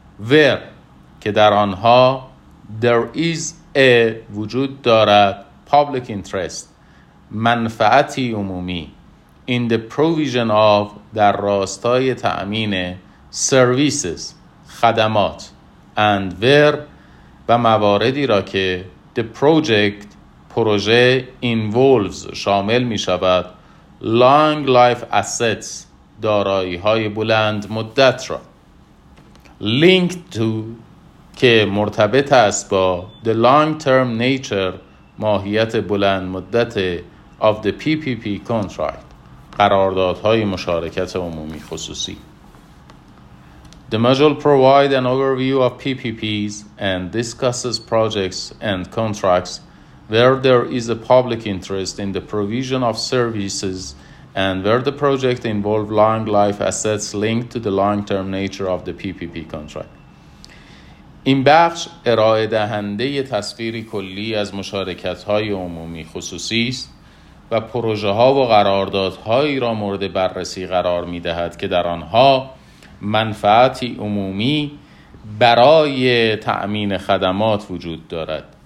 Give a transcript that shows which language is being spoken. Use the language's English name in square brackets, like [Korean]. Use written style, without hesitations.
[English] where [Persian] که در آنها [English] there is a [Persian] وجود دارد [English] public interest [Persian] منفعتی عمومی [English] in the provision of [Persian] در راستای تأمین [English] services [Persian] خدمات [English] and where [Persian] و مواردی را که [English] the project [Persian] پروژه [English] involves [Persian] شامل می شود [English] long life assets [Persian] دارایی های بلند مدت را [English] linked to [Persian] که مرتبط است با [English] the long term nature [Persian] ماهیت بلند مدت [English] of the PPP contract [Persian] قراردادهای مشارکت عمومی خصوصی. [English] The module provides an overview of PPPs and discusses projects and contracts where there is a public interest in the provision of services and where the project involves long life assets linked to the long-term nature of the PPP contract. [Persian] این بخش ارائه دهنده تصویری کلی از مشارکت‌های عمومی خصوصی است و پروژه‌ها و قراردادهایی را مورد بررسی قرار می‌دهد که در آنها منفعتی عمومی برای تأمین خدمات وجود دارد